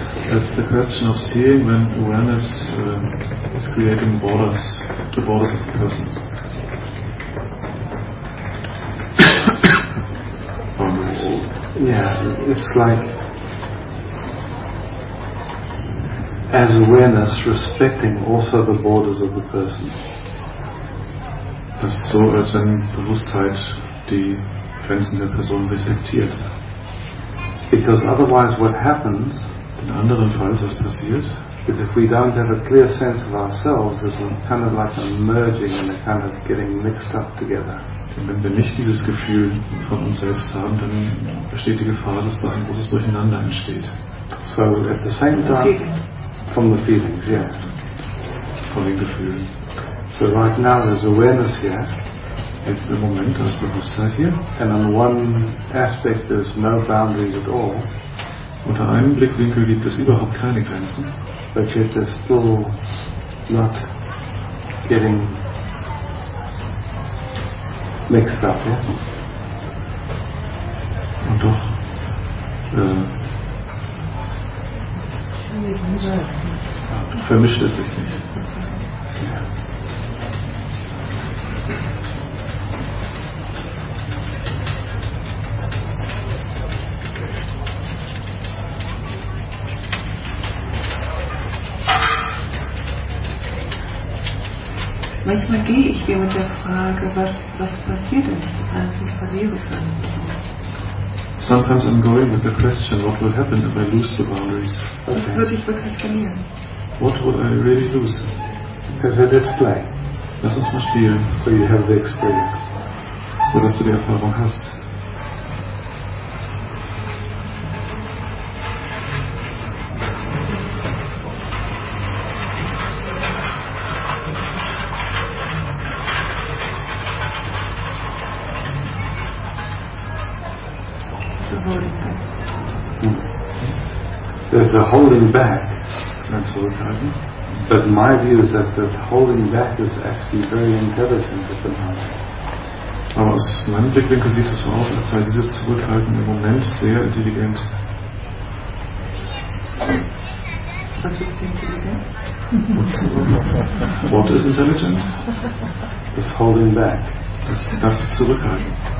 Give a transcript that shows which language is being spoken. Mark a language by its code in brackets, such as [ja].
[en] That's the question of seeing when awareness is creating borders, the borders of the person. Yeah, it's like as awareness respecting also the borders of the person. [de] Das ist so, als wenn Bewusstheit die Grenzen der Person respektiert. [en] Because otherwise what happens, [de] in anderen Fällen was passiert, [en] is if we don't have a clear sense of ourselves, there's a kind of like a merging and a kind of getting mixed up together. [de] Denn wenn wir nicht dieses Gefühl von uns selbst haben, dann besteht die Gefahr, dass da ein großes Durcheinander entsteht. [en] So, at the same time, from the feelings, yeah. [de] Von den Gefühlen. [en] So right now there's awareness here. [de] Jetzt im Moment, da ist Bewusstsein hier. [en] And on one aspect there's no boundaries at all. [de] Unter einem Blickwinkel gibt es überhaupt keine Grenzen. [en] But yet there's still not getting mixed up, yeah? [de] Und doch vermischt es sich nicht. [en] Yeah. [de] Manchmal gehe ich hier mit der Frage, was passiert ist, als ich verliere kann. [en] Sometimes I'm going with the question, what will happen if I lose the boundaries? [de] Was würde ich wirklich verlieren? [en] What would I really lose? Because let's play. [de] Lass uns mal spielen. [en] So you have the experience. [de] So dass du die Erfahrung hast. [en] There's a holding back. That's okay. But my view is that the holding back is actually very intelligent at the moment. [de] Aber aus meinem Blickwinkel sieht es so aus, als sei dieses Zurückhalten im Moment sehr intelligent. Was ist [en] intelligent? What is intelligent? Das holding back. [de] Das Zurückhalten.